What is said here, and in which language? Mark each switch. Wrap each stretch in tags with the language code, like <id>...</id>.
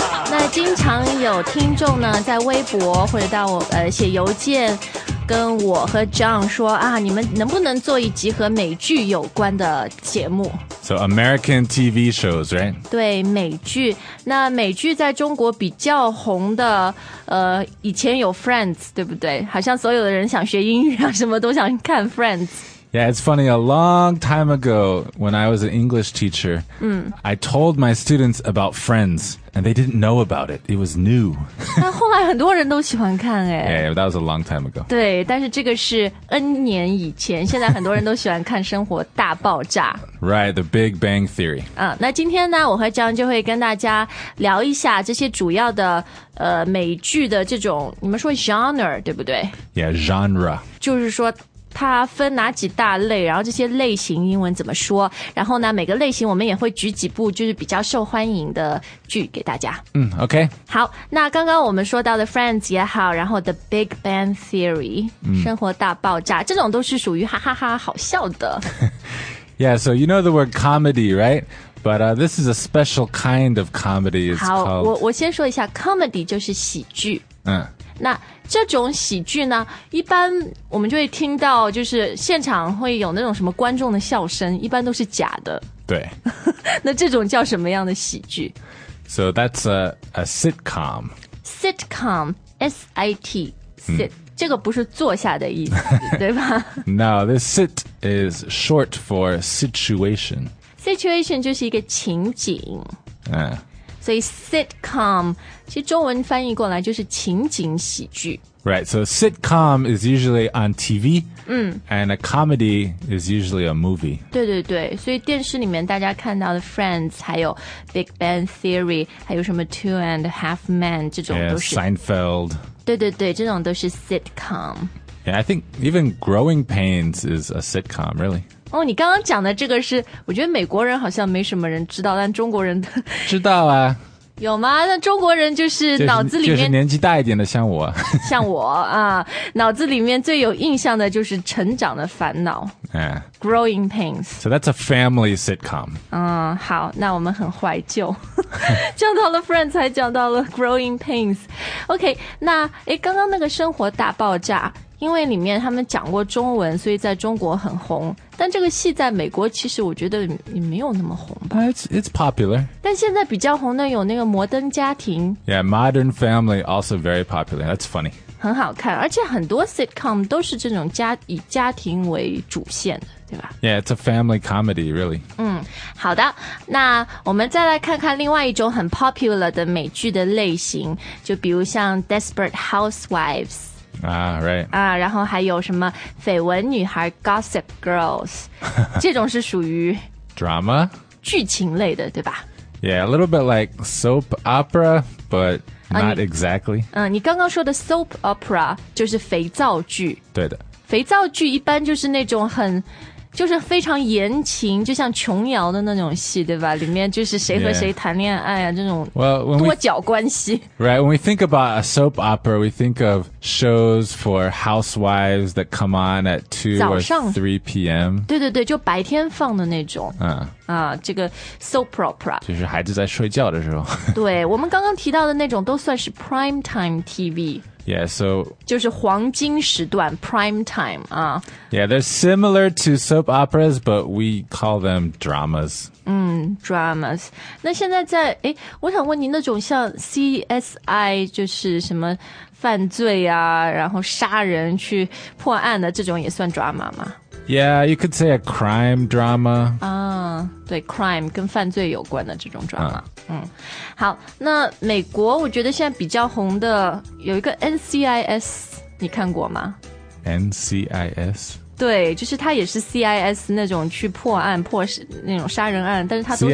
<zh>那经常有听众呢，在微博或者到我写邮件。跟我和 John 说啊，你们能不能做一集和美剧有关的节目</zh> <en>？So American TV shows, right?</en> <zh>对，美剧。那美剧在中国比较红的，以前有 Friends， 对不对？好像所有的人想学英语啊，什么都想看 Friends。</zh> <en>Yeah, it's funny. A long time ago, when I was an English teacher, I told my students about Friends, and they didn't know about it. It was new.</en> <zh>但后来很多人都喜欢看哎。</zh> <en>Yeah, that was a long time ago.</en> <zh>对，但是这个是 N 年以前。现在很多人都喜欢看《生活大爆炸》。</zh> <en>Right, The Big Bang Theory.</en> <zh>那今天呢，我和江就会跟大家聊一下这些主要的美剧的这种，你们说 genre 对不对</zh> <en>？Yeah, genre.</en> <zh>就是说。它分哪几大类，然后这些类型英文怎么说，然后呢每个类型我们也会举几部就是比较受欢迎的剧给大家。</zh> <en>OK，</en> <zh>好，那刚刚我们说到的 Friends 也好，然后 The Big Bang Theory、生活大爆炸，这种都是属于哈哈 哈好笑的。</zh> <en>Yeah, so you know the word comedy, right? But this is a special kind of comedy. It's</en> <zh>好</zh> <en>called...</en> <zh>我先说一下 comedy 就是喜剧。那这种喜剧呢，一般我们就会听到，就是现场会有那种什么观众的笑声，一般都是假的。对。那这种叫什么样的喜剧</zh> <en>？So that's a sitcom.</en> <zh>Sitcom, S-I-T, sit.、这个不是坐下的意思，对吧</zh> <en>？No, this sit is short for situation.</en> <zh>Situation 就是一个情景。所以 sitcom 其实中文翻译过来就是情景喜剧</zh> <en>Right, so sitcom is usually on TV、And a comedy is usually a movie</en> <zh>对对对所以电视里面大家看到的 Friends 还有 Big Bang Theory 还有什么 Two and a Half Men 这种都是</zh> <en>yeah, Seinfeld</en> <zh>对对对这种都是 sitcom</zh> <en>Yeah, I think even Growing Pains is a sitcom, really</en> <zh>哦，你刚刚讲的这个是，我觉得美国人好像没什么人知道，但中国人知道啊，有吗？那中国人就是脑子里面、就是年纪大一点的，像我，像我啊，脑子里面最有印象的就是《成长的烦恼》Growing Pains。</zh> <en>So that's a family sitcom。</en> <zh>好，那我们很怀旧，讲到了 Friends， 还讲到了 Growing Pains。 OK， 那哎，刚刚那个《生活大爆炸》。因为里面他们讲过中文，所以在中国很红。但这个戏在美国其实我觉得也没有那么红吧。</zh> <en>It's popular.</en> <zh>但现在比较红的有那个《摩登家庭》。</zh> <en>Yeah, Modern Family also very popular. That's funny.</en> <zh>很好看，而且很多 sitcom 都是这种以家庭为主线的，对吧</zh> <en>？Yeah, it's a family comedy, really.</en> <zh>好的，那我们再来看看另外一种很 popular 的美剧的类型，就比如像《Desperate Housewives》。</zh> <en>Right.</en> <zh>然后还有什么绯闻女孩 Gossip Girls 这种是属于</zh> <en>Drama</en> <zh>剧情类的对吧</zh> <en>Yeah, a little bit like soap opera But not exactly</en> <zh>你刚刚说的 soap opera 就是肥皂剧对的肥皂剧一般就是那种很就是非常言情就像琼瑶的那种戏对吧里面就是谁和谁谈恋爱啊、这种多角关系</zh> <en>Right, when we think about a soap opera We think of shows for housewives that come on at 2 or 3 p.m.</en> <zh>对对对就白天放的那种这个 soap opera 就是孩子在睡觉的时候对我们刚刚提到的那种都算是 primetime TV</zh> <en>Yeah, so...</en> <zh>就是黄金时段 prime time,</zh> <en>Yeah, they're similar to soap operas, but we call them dramas. Dramas.</en> <zh>那现在在,我想问你那种像 CSI, 就是什么犯罪啊,然后杀人去破案的这种也算 drama 吗?</zh> <en>Yeah, you could say a crime drama.</en> <zh>对 ,crime, 跟犯罪有关的这种 drama。好那美国我觉得现在比较红的有一个 NCIS 你看过吗</zh> <en>NCIS</en> <zh>对就是它也是 CIS 那种去破案破那种杀人案但是它都是</zh>